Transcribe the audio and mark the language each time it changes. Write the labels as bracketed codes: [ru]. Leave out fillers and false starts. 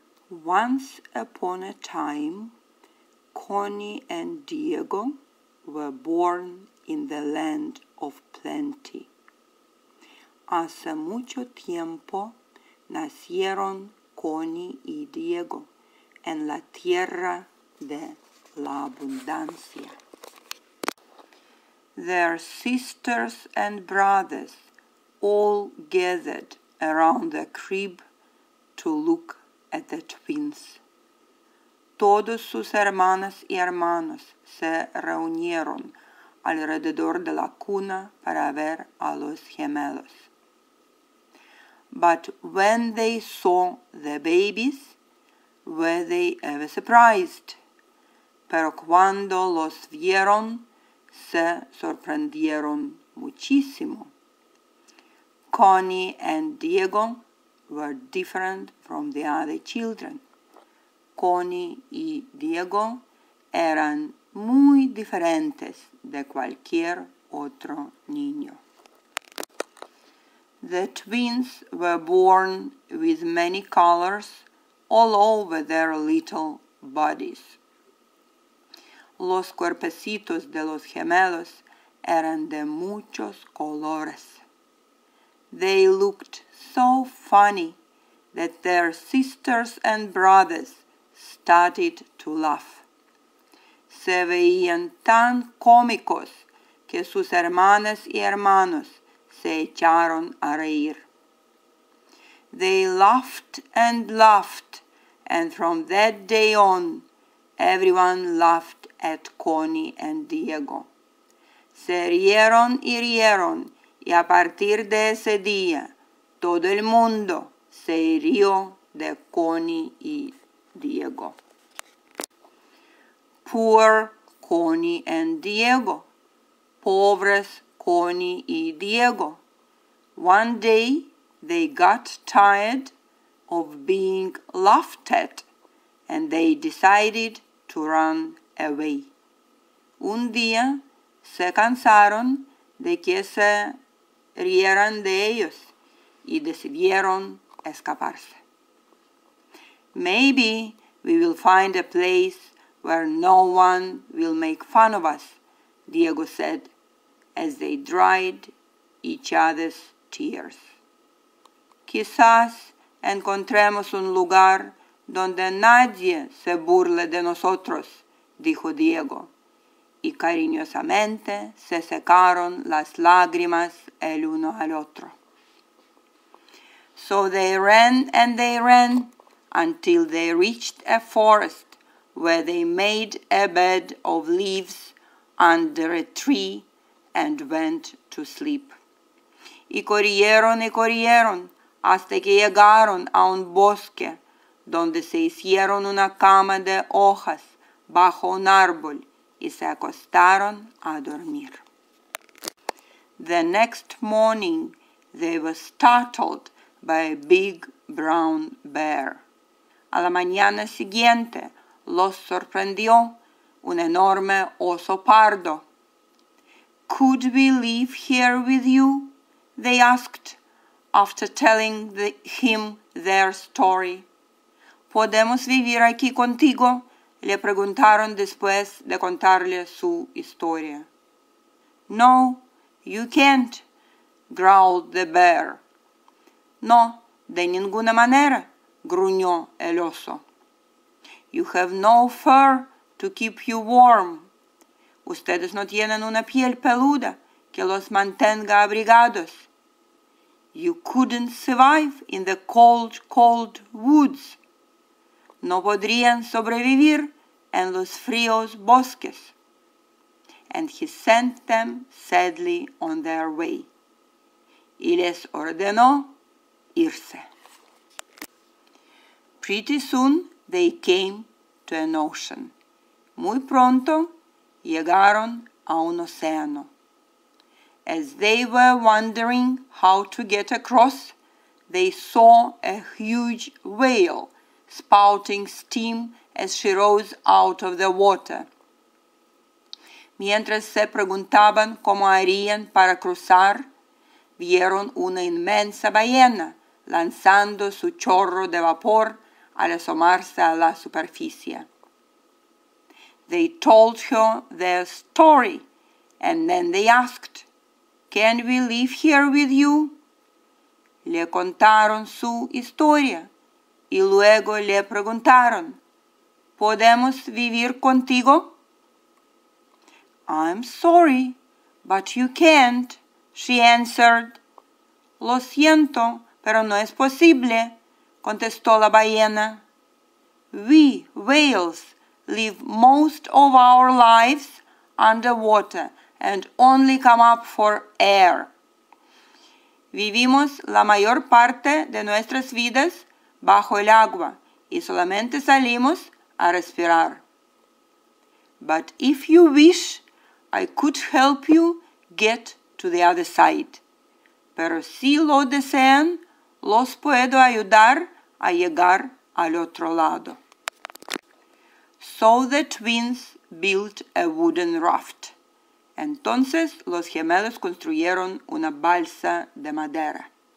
[en] Once upon a time, Connie and Diego were born in the land of plenty. [es] Hace mucho tiempo nacieron Connie y Diego en la tierra de la abundancia. [en] Their sisters and brothers all gathered around the crib to look at the twins. [es] Todos sus hermanas y hermanos se reunieron alrededor de la cuna para ver a los gemelos. [en] But when they saw the babies, were they ever surprised? [es] Pero cuando los vieron, se sorprendieron muchísimo. [en] Connie and Diego were different from the other children. [es] Connie y Diego eran muy diferentes de cualquier otro niño. [en] The twins were born with many colors all over their little bodies. [es] Los cuerpecitos de los gemelos eran de muchos colores. [en] They looked so funny that their sisters and brothers started to laugh. [es] Se veían tan cómicos que sus hermanas y hermanos se echaron a reír. [en] They laughed and laughed, and from that day on, everyone laughed at Connie and Diego. [es] Se rieron y rieron, y a partir de ese día, todo el mundo se rió de Connie y Diego. [en] Poor Connie and Diego. [es] Pobres Connie y Diego. [en] One day, they got tired of being laughed at, and they decided to run away. [es] Un día, se cansaron de que se rieran de ellos y decidieron escaparse. [en] Maybe we will find a place where no one will make fun of us, Diego said as they dried each other's tears. [es] Quizás encontremos un lugar donde nadie se burle de nosotros, dijo Diego, y cariñosamente se secaron las lágrimas el uno al otro. [en] So they ran and they ran until they reached a forest where they made a bed of leaves under a tree and went to sleep. [es] Y corrieron hasta que llegaron a un bosque donde se hicieron una cama de hojas bajo un árbol y se acostaron a dormir. [en] The next morning, they were startled by a big brown bear. [es] A la mañana siguiente, los sorprendió un enorme oso pardo. [en] Could we live here with you? They asked, after telling him their story. [es] ¿Podemos vivir aquí contigo? Le preguntaron después de contarle su historia. [en] No, you can't, growled the bear. [es] No, de ninguna manera, gruñó el oso. [en] You have no fur to keep you warm. [es] Ustedes no tienen una piel peluda que los mantenga abrigados. [en] You couldn't survive in the cold, cold woods. [es] No podrían sobrevivir en los fríos bosques. [en] And he sent them sadly on their way. [es] Y les ordenó irse. [en] Pretty soon they came to an ocean. [es] Muy pronto llegaron a un océano. [en] As they were wondering how to get across, they saw a huge whale spouting steam as she rose out of the water. [es] Mientras se preguntaban cómo harían para cruzar, vieron una inmensa ballena lanzando su chorro de vapor al asomarse a la superficie. [en] They told her their story, and then they asked, "Can we live here with you?" [es] Le contaron su historia, y luego le preguntaron, "¿Podemos vivir contigo?" [en] "I'm sorry, but you can't," she answered. [es] "Lo siento, pero no es posible," contestó la ballena. [en] "We whales live most of our lives underwater and only come up for air." [es] Vivimos la mayor parte de nuestras vidas bajo el agua y solamente salimos a respirar. [en] "But if you wish, I could help you get to the other side." [es] Pero si lo desean, los puedo ayudar a llegar al otro lado. [en] So the twins built a wooden raft. [es] Entonces los gemelos construyeron una balsa de madera.